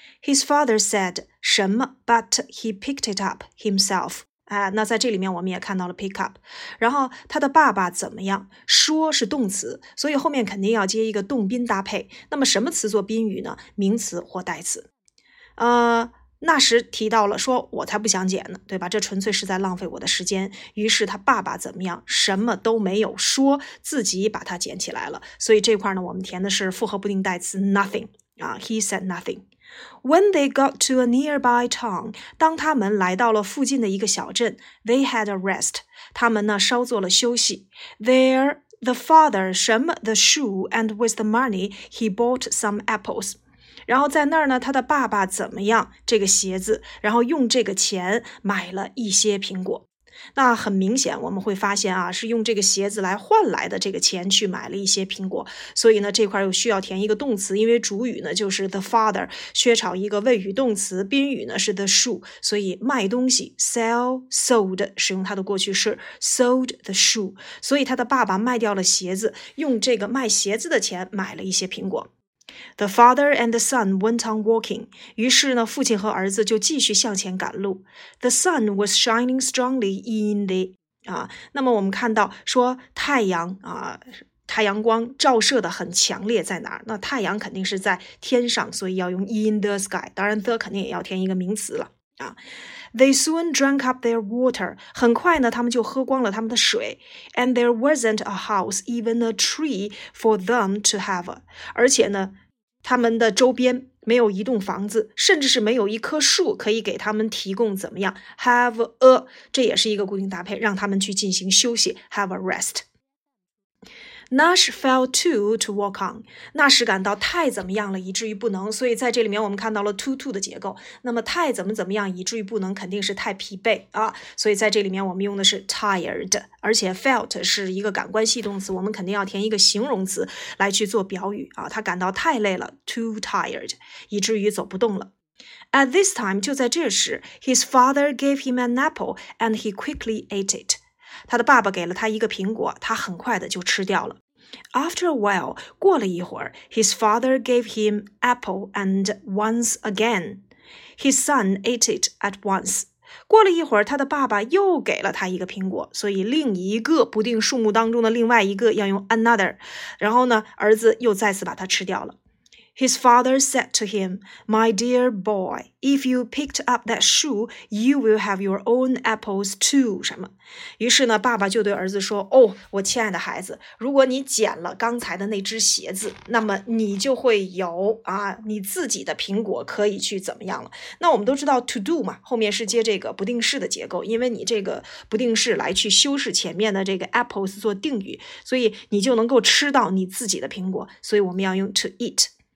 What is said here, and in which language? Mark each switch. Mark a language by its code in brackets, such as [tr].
[en] His father said， [zh] 什么 [en] ？But he picked it up himself。 [zh] 哎，那在这里面我们也看到了 pick up， 然后他的爸爸怎么样？说是动词，所以后面肯定要接一个动宾搭配。那么什么词做宾语呢？名词或代词。纳什提到了说，我才不想捡呢，对吧？这纯粹是在浪费我的时间。于是他爸爸怎么样？什么都没有说，自己把它捡起来了。所以这块呢，我们填的是复合不定代词 nothing 啊 ， [en] he said nothing。 When they got to a nearby town, [zh] 当他们来到了附近的一个小镇 [en] they had a rest. [zh] 他们呢稍作了休息。 [en] There, the father, [zh] 什么 [en] the shoe, and with the money, he bought some apples. [zh] 然后在那儿呢他的爸爸怎么样这个鞋子然后用这个钱买了一些苹果。那很明显我们会发现啊是用这个鞋子来换来的这个钱去买了一些苹果。所以呢这块又需要填一个动词因为主语呢就是 the father, 缺少一个谓语动词宾语呢是 the shoe, 所以卖东西 sold, 使用它的过去式 sold the shoe, 所以他的爸爸卖掉了鞋子用这个卖鞋子的钱买了一些苹果。 [en] The father and the son went on walking. [zh] 于是呢，父亲和儿子就继续向前赶路。 [en] The sun was shining strongly in the [zh] 啊，那么我们看到说太阳啊，太阳光照射的很强烈，在哪儿？那太阳肯定是在天上，所以要用 [en] in the sky。 [zh] 当然 ，the 肯定也要填一个名词了啊。 [en] They soon drank up their water. [zh] 很快呢，他们就喝光了他们的水。 [en] And there wasn't a house, even a tree for them to have. [zh] 而且呢，他们的周边没有一栋房子，甚至是没有一棵树可以给他们提供怎么样 ？ [en] Have a， [zh] 这也是一个固定搭配，让他们去进行休息 ， [en] have a rest。 Nash fell too to walk on. [zh] 纳什感到太怎么样了，以至于不能。所以在这里面我们看到了 too 的结构。那么太怎么怎么样，以至于不能，肯定是太疲惫啊。所以在这里面我们用的是 tired， 而且 felt 是一个感官系动词，我们肯定要填一个形容词来去做表语啊。他感到太累了 ， [en] too tired， [zh] 以至于走不动了。 [en] At this time， [zh] 就在这时 [en] ，his father gave him an apple and he quickly ate it. [zh] 他的爸爸给了他一个苹果，他很快的就吃掉了。 [en] After a while, [zh] 过了一会儿 [en] ,his father gave him apple and once again, his son ate it at once. [zh] 过了一会儿他的爸爸又给了他一个苹果，所以另一个不定数目当中的另外一个要用 another, 然后呢儿子又再次把它吃掉了。 [en] His father said to him, My dear boy, if you picked up that shoe, you will have your own apples too. [zh] 什么？于是呢，爸爸就对儿子说，哦，我亲爱的孩子，如果你捡了刚才的那只鞋子，那么你就会有啊，你自己的苹果可以去怎么样了。那我们都知道 to do 嘛，后面是接这个不定式的结构，因为你这个不定式来去修饰前面的这个 apples 做定语，所以你就能够吃到你自己的苹果，所以我们要用 to eat。